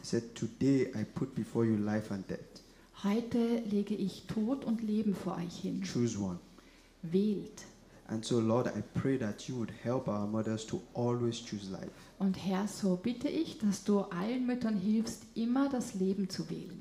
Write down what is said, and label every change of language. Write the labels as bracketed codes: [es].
[en] He said, "Today I put before you life and death." [de] Heute lege ich Tod und Leben vor euch hin. [en] Choose one. [de] Wählt. [en] And so, Lord, I pray that you would help our mothers to always choose life. [de] Und Herr, so bitte ich, dass du allen Müttern hilfst, immer das Leben zu wählen.